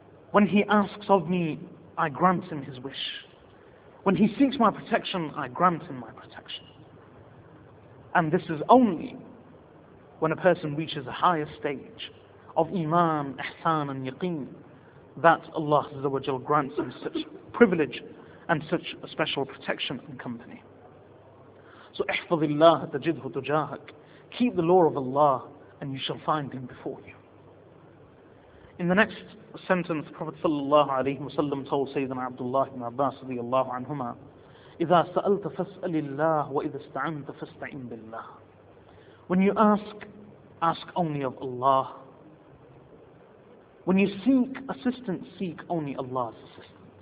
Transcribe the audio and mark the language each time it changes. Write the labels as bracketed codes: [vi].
[en] When he asks of me, I grant him his wish. When he seeks my protection, I grant him my protection. And this is only when a person reaches a higher stage of iman, ihsan and yaqeen that Allah Azza wa Jalla grants him such privilege and such a special protection and company. [ar] So احفظ الله تجده تجاهك. [en] Keep the law of Allah and you shall find him before you. In the next sentence, Prophet sallallahu alayhi wa sallam told Sayyidina Abdullah ibn Abbas radiyallahu anhuma, [ar] إذا سألت فاسأل الله وإذا استعنت فاستعن بالله. [en] When you ask, ask only of Allah. When you seek assistance, seek only Allah's assistance.